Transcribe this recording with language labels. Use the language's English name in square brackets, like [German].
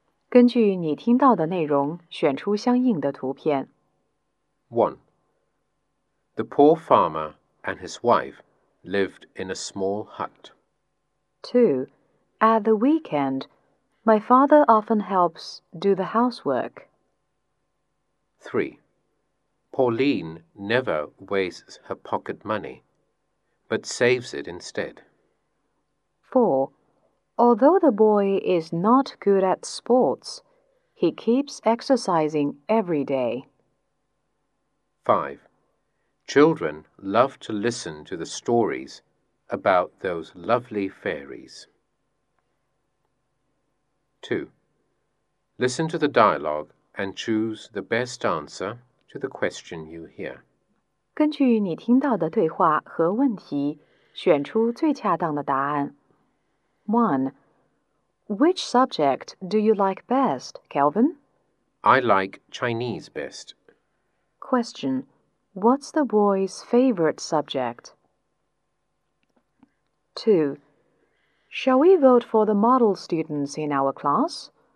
[Chinese] 根据你听到的内容,选出相应的图片. [English] 1. The poor farmer and his wife lived in a small hut. 2. At the weekend, my father often helps do the housework. 3. Pauline never wastes her pocket money, but saves it instead. 4. Although the boy is not good at sports, he keeps exercising every day. 5. Children love to listen to the stories about those lovely fairies. 2. Listen to the dialogue and choose the best answer to the question you hear. [Chinese] 根据你听到的对话和问题,选出最恰当的答案. [English] 1. Which subject do you like best, Kelvin? I like Chinese best. Question. What's the boy's favorite subject? 2. Shall we vote for the model students in our class?